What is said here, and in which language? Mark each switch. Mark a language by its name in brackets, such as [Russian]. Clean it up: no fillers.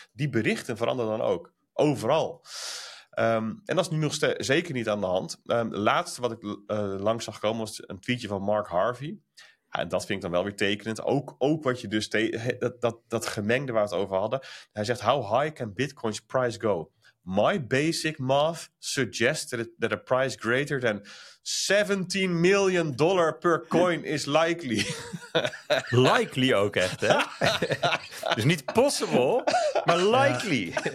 [Dutch] Die berichten veranderen dan ook, overal. En dat is nu nog zeker niet aan de hand. Laatste wat ik langs zag komen was een tweetje van Mark Harvey. En dat vind ik dan wel weer tekenend. Ook wat je dus dat gemengde waar we het over hadden. Hij zegt, [English] how high can Bitcoin's price go? My basic math suggests that a price greater than $17 million per coin is likely. [Dutch] Likely ook echt, hè? Dus niet possible, maar likely.